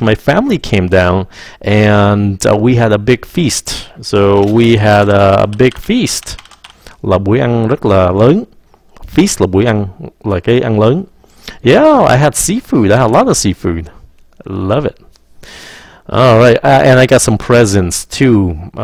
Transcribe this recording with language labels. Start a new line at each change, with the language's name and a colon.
English: My family came down and we had a big feast. So we had a big feast.
Vietnamese: Là buổi ăn rất là lớn. Feast là buổi ăn, là cái ăn lớn.
English: Yeah, I had seafood. I had a lot of seafood. Love it. All right, and I got some presents too.